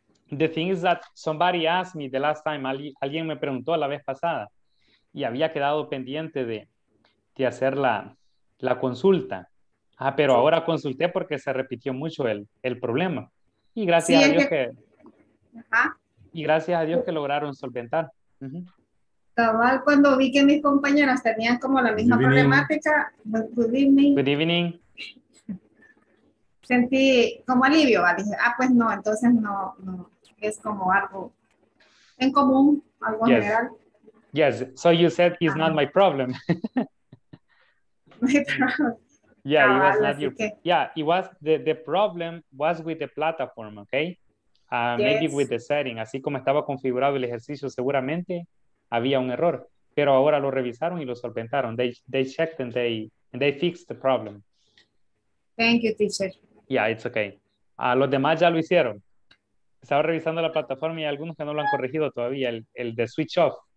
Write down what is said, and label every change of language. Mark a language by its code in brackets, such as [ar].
[en] The thing is that somebody asked me the last time. [es] Alguien me preguntó la vez pasada. Y había quedado pendiente de hacer la consulta. Ah, pero sí. Ahora consulté porque se repitió mucho el problema. Y gracias a Dios y gracias a Dios que lograron solventar. Cabal, cuando vi que mis compañeras tenían como la misma problemática, [en] good evening. [es] Sentí como alivio. Dije, ah, pues no, entonces no es como algo en común, algo [en] yes. [es] general. [en] Yes, so you said it's not my problem. Yeah, it was not your problem. Yeah, it was the problem was with the platform, okay? Maybe with the setting. [es] Así como estaba configurado el ejercicio, seguramente había un error. Pero ahora lo revisaron y lo solventaron. [en] They checked and they fixed the problem. Thank you, teacher. Yeah, it's okay. [es] Los demás ya lo hicieron. Estaba revisando la plataforma y algunos que no lo han corregido todavía, el de switch off.